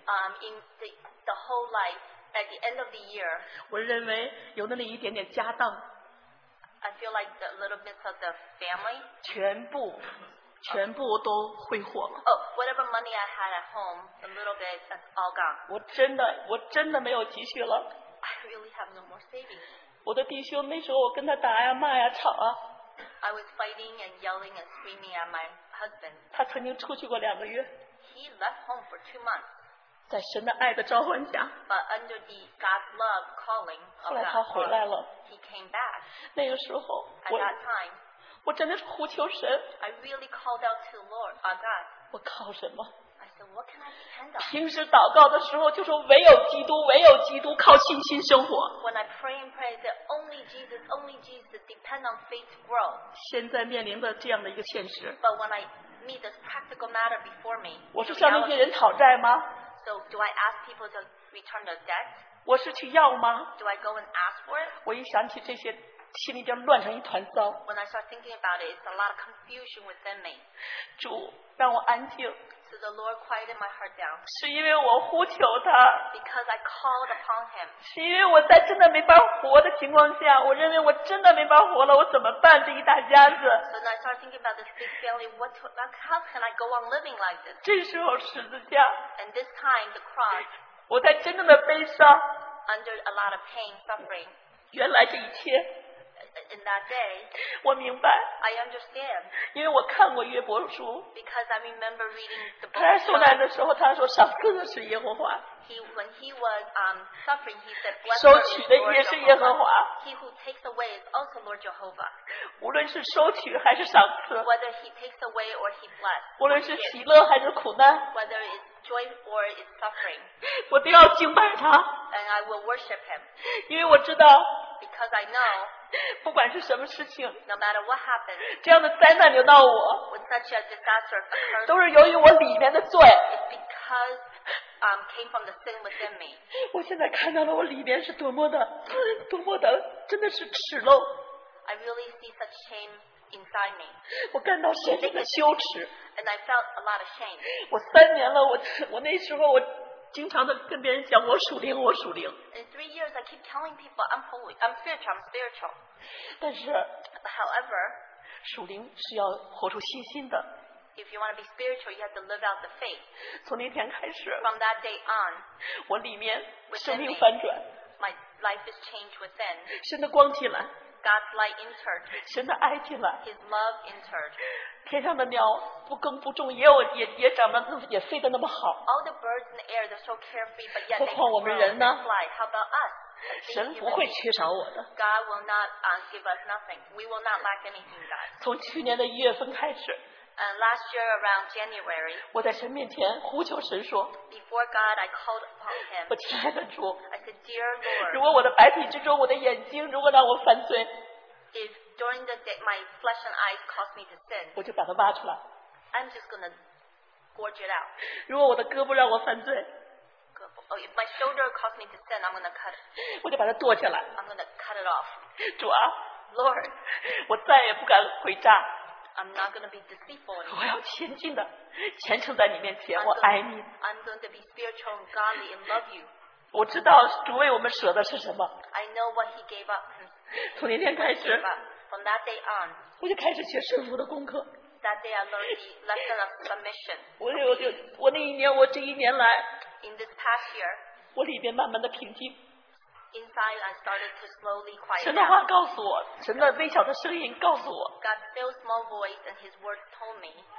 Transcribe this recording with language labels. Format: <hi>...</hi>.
<en>In the whole life, at the end of the year.</en> <zh>我认为有那里一点点家当。</zh> <en>I feel like the little bit of the family.</en> <zh>全部都挥霍了。</zh> <en>Oh, whatever money I had at home, a little bit, that's all gone.</en> <zh>我真的没有积蓄了。</zh> <en>I really have no more savings.</en> <zh>我的弟兄那时候我跟他打呀骂呀吵啊。</zh> <en>I was fighting and yelling and screaming at my husband.</en> <zh>他曾经出去过两个月。</zh> <en>He left home for 2 months.</en> <zh>在神的爱的召唤下。</zh> <en>But under the God's love calling of God.</en> <zh>后来他回来了。</zh> <en>He came back.</en> <zh>那个时候。</zh> <en>At that time.</en> <zh>我真的是呼求神。</zh> <en>I really called out to Lord, our God.</en> <zh>我靠什么</zh> <en>？I said, what can I depend on?</en> <zh>平时祷告的时候就说唯有基督，唯有基督，靠信心生活。</zh> <en>When I pray and pray, I said, only Jesus, depend on faith to grow.</en> <zh>现在面临的这样的一个现实。</zh> <en>But when I meet this practical matter before me,</en> <zh>我是向那些人讨债吗</zh> <en>？So do I ask people to return their debt?</en> <zh>我是去要吗</zh> <en>？Do I go and ask for it?</en> <zh>我一想起这些。心里边乱成一团糟。</zh> <en>When I start thinking about it, it's a lot of confusion within me.</en> <zh>主让我安静。</zh> <en>So the Lord quieted my heart down.</en> <zh>是因为我呼求他。</zh> <en>Because I called upon him.</en> <zh>是因为我在真的没法活的情况下，我认为我真的没法活了，我怎么办这一大家子</zh> <en>？So I start thinking about this big family. How can I go on living like this?</en> <zh>这时候十字架。</zh> <en>And this time the cross.</en> <zh>我在真正的悲伤。</zh> <en>Under a lot of pain, suffering.</en> <zh>原来这一切。</zh> <en>In that day,</en> <zh>我明白</zh> <en>I understand.</en> <zh>因为我看过约伯书</zh> <en>Because I remember reading the book.</en> <zh>他在受难的时候他说上帝是耶和华</zh> <en>When he was suffering, he said, Blessed</en> <zh>收取的也是耶和华</zh> <en>He who takes away is also Lord Jehovah.</en> <zh>无论是收取还是赏赐</zh> <en>Whether he takes away or he blessed.</en> <zh>无论是喜乐还是苦难</zh> <en>Whether it's joy or it's suffering.</en> <zh>我都要敬拜他</zh> <en>And I will worship him.</en> <zh>因为我知道</zh> <en>Because I know.</en> <zh>不管是什么事情</zh> <en>no matter what happens,</en> <zh>这样的灾难留到我</zh> <en>with such a disaster occurs,</en> <zh>都是由于我里面的罪</zh> <en>it's because, came from the sin within me.</en> <zh>我现在看到了我里面是多么的多么的真的是耻陋</zh> <en>I really see such shame inside me.</en> <zh>我感到深深的羞耻</zh> <en>and I felt a lot of shame.</en> <zh>我三年了 我那时候我经常的跟别人讲我属灵，我属灵。</zh> <en>In 3 years, I keep telling people I'm holy, I'm spiritual, I'm spiritual.</en> <zh>但是</zh> <en>，however，</en> <zh>属灵是要活出信心的。</zh> <en>If you want to be spiritual, you have to live out the faith.</en> <zh>从那天开始</zh> <en>，from that day on，</en> <zh>我里面生命翻转</zh> <en>，my life is changed within.</en> <zh>神的光进来</zh> <en>，God's light entered.</en> <zh>神的爱进来</zh> <en>，His love entered.</en> <zh>天上的鸟不耕不种，也有也长得也飞得那么好。</zh> <en>All the birds in the air they're so carefree, but yet</en> <zh>何况我们人呢</zh> <en>？How about us?</en> <zh>神不会缺少我的。</zh> <en>God will not give us nothing. We will not lack anything, God.</en> <zh>从去年的一月份开始。</zh> <en>Last year around January.</en> <zh>我在神面前呼求神说。</zh> <en>Before God, I called upon Him.</en> <zh>我亲爱的主。</zh> <en>I said, Dear Lord.</en> <zh>如果我的白体之中，我的眼睛如果让我犯罪。</zh> <en>If during the day my flesh and eyes cause me to sin,</en> <zh>我就把它挖出来。</zh> <en>I'm just gonna gorge it out.</en> <zh>如果我的胳膊让我犯罪，</zh> <en>胳膊 ，Oh, if my shoulder cause me to sin, I'm gonna cut it.</en> <zh>我就把它剁下来。</zh> <en>I'm gonna cut it off.</en> <zh>主啊</zh> <en>，Lord,</en> <zh>我再也不敢诡诈。</zh> <en>I'm not gonna be deceitful.</en> <zh>我要前进的，虔诚在你面前，我爱你。</zh> <en>I'm going to be spiritual and godly and love you.</en> <zh>我知道主为我们舍的是什么。</zh> <en>I know what He gave up.</en> <zh>从那天开始</zh> <en>From that day on,</en> <zh>我就开始学顺服的功课。</zh> <en>That day I learned the lesson of submission.</en> <zh>我那一年，我这一年来，</zh> <en>In this past year,</en> <zh>我里边慢慢的平静。</zh> <en>Inside, I started to slowly quiet</en> <zh>神的话告诉我,</zh> <en>down.</en> <zh>神的微小的声音告诉我,</zh> <en>God's still small voice and His word told me.</en>